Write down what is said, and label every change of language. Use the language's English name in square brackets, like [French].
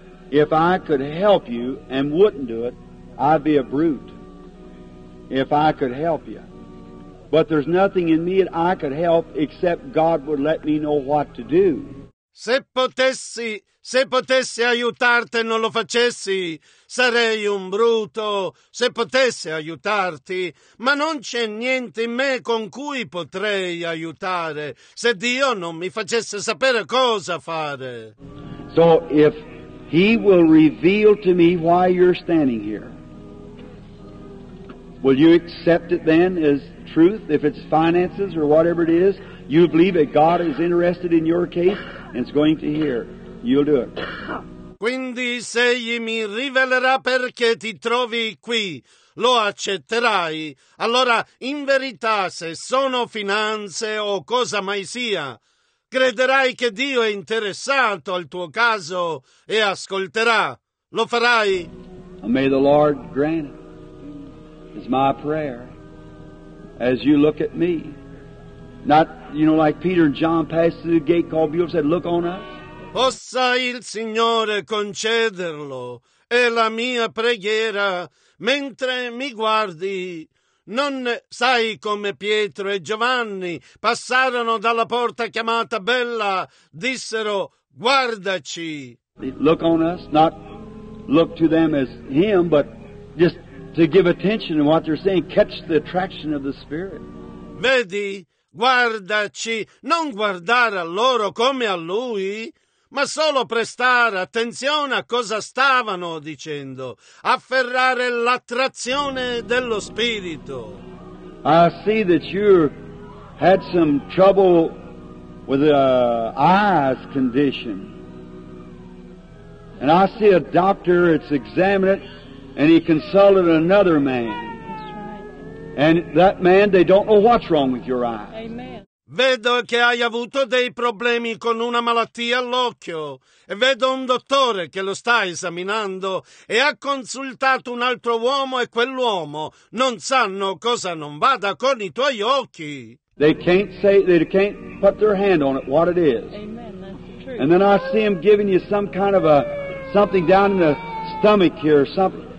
[English] If I could help you and wouldn't do it, I'd be a brute. If I could help you. But there's nothing in me that I could help except God would let me know what to do. [Italian] Se potessi aiutarti, non lo facessi. Sarei un bruto se potessi aiutarti, ma non c'è niente in me con cui potrei aiutare se Dio non mi facesse sapere cosa fare. [English] So if he will reveal to me why you're standing here, will you accept it then as truth? If it's finances or whatever it is, you believe that God is interested in your case and is going to hear. You'll do it. [Italian] Quindi se egli mi rivelerà perché ti trovi qui, lo accetterai. Allora, in verità, se sono finanze o cosa mai sia, crederai che Dio è interessato al tuo caso e ascolterà. Lo farai? [English] And may the Lord grant it. It's my prayer. As you look at me. Not, you know, like Peter and John passed through the gate called Beulah, said, look on us. [Italian] Possa il Signore concederlo, è la mia preghiera, mentre mi guardi. Non sai come Pietro e Giovanni passarono dalla porta chiamata Bella, dissero, guardaci. [English] Look on us, not look to them as him, but just to give attention to what they're saying, catch the attraction of the Spirit. [Italian] Vedi, guardaci, non guardare a loro come a lui, ma solo prestare attenzione a cosa stavano dicendo, afferrare l'attrazione dello Spirito. [English] I see that you had some trouble with the eyes condition. And I see a doctor that's examined it, and he consulted another man. And that man, they don't know what's wrong with your eyes. Amen. [Italian] Vedo che hai avuto dei problemi con una malattia all'occhio e vedo un dottore che lo sta esaminando e ha consultato un altro uomo e quell'uomo non sanno cosa non vada con i tuoi occhi. [English] They can't say, they can't put their hand on it, what it is. Amen, that's the truth. And then I see him giving you some kind of a something down in the stomach here, something.